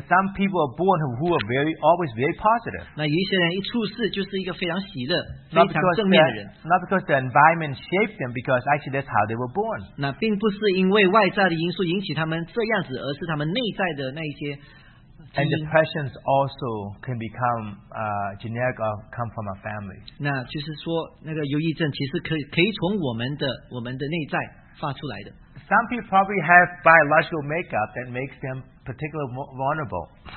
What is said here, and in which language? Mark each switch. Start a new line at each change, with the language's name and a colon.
English: And some people are born who are very, always very positive.
Chinese: 那有一些人一出世就是一个非常喜乐、非常正面的人。
English: Not because the environment shaped them, because actually that's how they were born.
Chinese: 那并不是因为外在的因素引起他们这样子，而是他们内在的那一些。
English: And depressions also can become genetic or come from our family.
Chinese: 那就是说，那个忧郁症其实可以从我们的内在发出来的。
English: Some people probably have biological makeup that makes them particularly vulnerable.